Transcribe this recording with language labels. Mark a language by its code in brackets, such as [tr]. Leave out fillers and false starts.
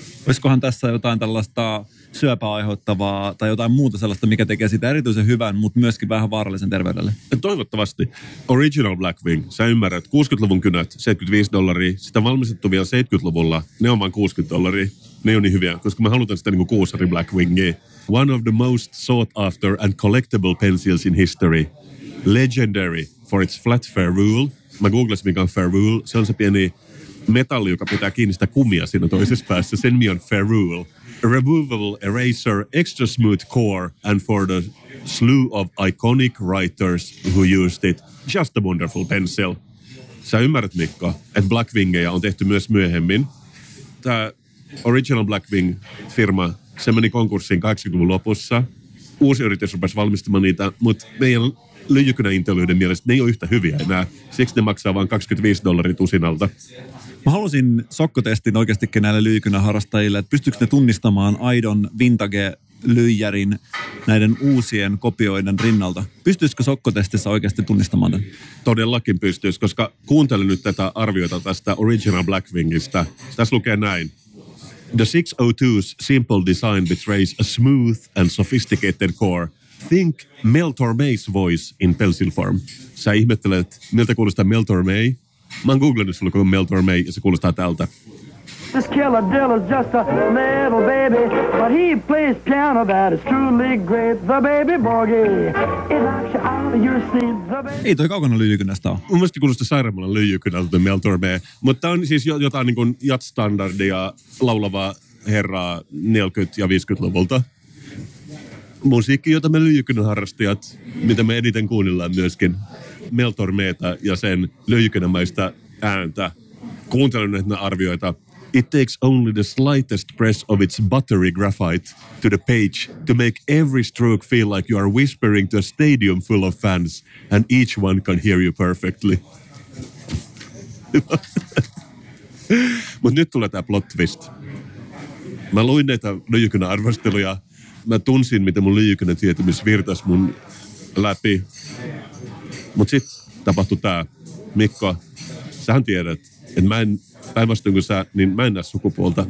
[fi] Olisikohan tässä jotain tällaista syöpää aiheuttavaa tai jotain muuta sellaista, mikä tekee sitä erityisen hyvän, mutta myöskin vähän vaarallisen terveydelle. Toivottavasti. Original Blackwing, sä ymmärrät, 60-luvun kynät, $75, sitä valmistettu vielä 70-luvulla, ne on vain $60. Ne on niin hyviä, koska mä halutaan sitä niin kuin kuusari Blackwingia. [en] One of the most sought after and collectible pencils in history. Legendary for its flat ferrule. [fi] Mä googlasin, mikä on ferrule. Se on se pieni metalli, joka pitää kiinni sitä kumia siinä toisessa päässä. Sen nimi on ferrule. [en] A removable eraser, extra smooth core, and for the slew of iconic writers who used it, just a wonderful pencil. [fi] Sä ymmärrät, Mikko, että Blackwingeja on tehty myös myöhemmin. Tämä original Blackwing-firma, se meni konkurssiin 80-luvun lopussa. Uusi yritys rupesi valmistamaan niitä, mutta meidän lyijykynäintelyiden mielestä ne ei ole yhtä hyviä enää. Siksi ne maksaa vain $25 tusinalta. Mä halusin sokkotestin oikeastikin näille lyijykynäharrastajille, että pystyykö ne tunnistamaan aidon vintage-lyijärin näiden uusien kopioiden rinnalta. Pystyisikö sokkotestissä oikeasti tunnistamaan tämän? Todellakin pystyisi, koska kuuntelin nyt tätä arviota tästä original Blackwingista. Tässä lukee näin. [en] The 602's simple design betrays a smooth and sophisticated core. Think Mel Torme's voice in pencil form. [fi] Sä ihmettelet, miltä kuulostaa [en] Mel Torme? [fi] Mä oon googlannut sulla, kun Mel Torme, ja se kuulostaa tältä. [en] This killer dill is just a little baby, but he plays piano that is truly great, the baby boogie. It knocks you out. [fi] Ei toi kaukana lyijykynästä ole. Mun mielestä kuulostaa sairaamalla lyijykynältä, The Mel Torme. Mutta tää on siis jotain niin kuin jatsstandardia laulavaa herraa 40- ja 50-luvulta. Musiikki, jota me lyijykynän harrastajat, mitä me eniten kuunnellaan myöskin, Mel Tormeeta ja sen lyijykynämäistä ääntä. Kuuntelen näitä arvioita. [en] It takes only the slightest press of its buttery graphite to the page to make every stroke feel like you are whispering to a stadium full of fans and each one can hear you perfectly. [fi] Mut nyt tulee tää plot twist. Mä luin näitä lyijykynän arvosteluja. Mä tunsin, miten mun lyijykynän tietämis virtas mun läpi. Mut sit tapahtui tää. Mikko, sähän tiedät, että mä en päinvastoin kuin sä, niin mä en näe sukupuolta.